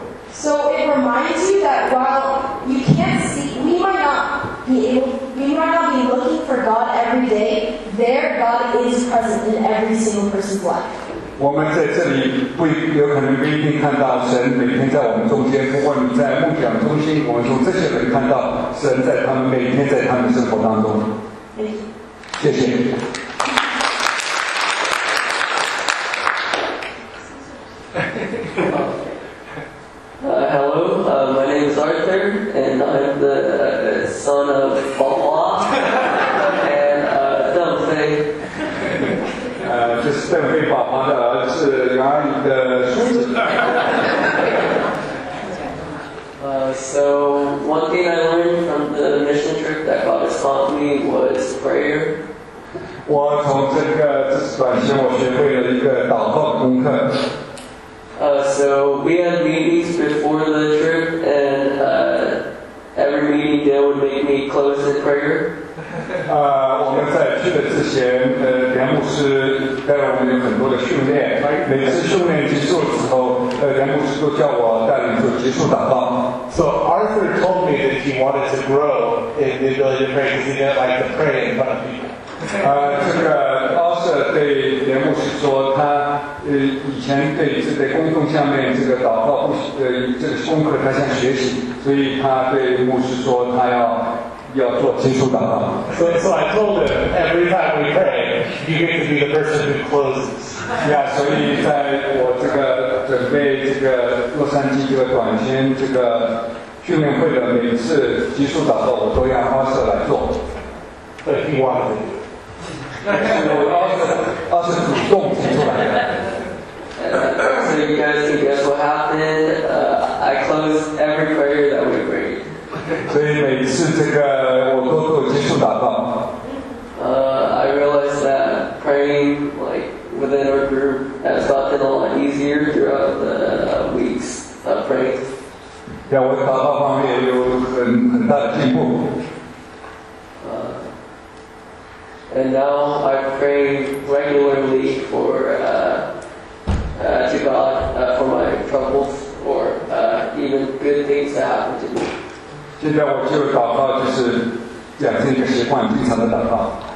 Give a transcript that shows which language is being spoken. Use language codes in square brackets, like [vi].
[en] So it reminds you that while you can't see, we might not be looking for God every day, there God is present in every single person's life. [zh] 我们在这里不有可能不一定看到神每天在我们中间，不过你在梦想中心，我们从这些人看到神在他们每天在他们生活当中。谢谢。 [en] Hello, my name is Arthur, and I'm the son of Papa and Deng Fei. [zh] 这是邓飞爸爸的儿子，杨阿姨的孙子。 [en] So one thing I learned from the mission trip that God has taught me was prayer. [zh] 我从这个短期我学会了一个祷告功课。 [en] So we had meetings before the trip, and every meeting Dan would make me close in prayer. [zh] 我们在去的之前，梁牧师带我们有很多的训练。每次训练结束的时候，梁牧师都叫我带领做结束祷告。 [en] So Arthur told me that he wanted to grow in the ability to pray because he didn't like to pray in front of people. [zh] 这个 Arthur 对梁牧师说，他以前对是在公众下面这个祷告这个功课他想学习，所以他对牧师说他要做结束祷告。 [en] So I told him every time we pray, you get to be the person who closes. [zh] Yeah, 所以在我这个准备这个洛杉矶这个短宣这个训练会的每次结束祷告，我都要阿瑟来做。对，听话的。我阿瑟主动提出来的。 [en] So you guys can guess what happened. I close every prayer that we pray. [zh] 所以每次这个我都做结束祷告。 [en] I realized that praying like within our group has gotten a lot easier throughout the weeks of praying. [zh] 在我祷告方面有很大的进步。 [en] And now I pray regularly for to God for my troubles or even good things that happen to me. [zh] 现在我就祷告，就是养成一个习惯，经常的祷告。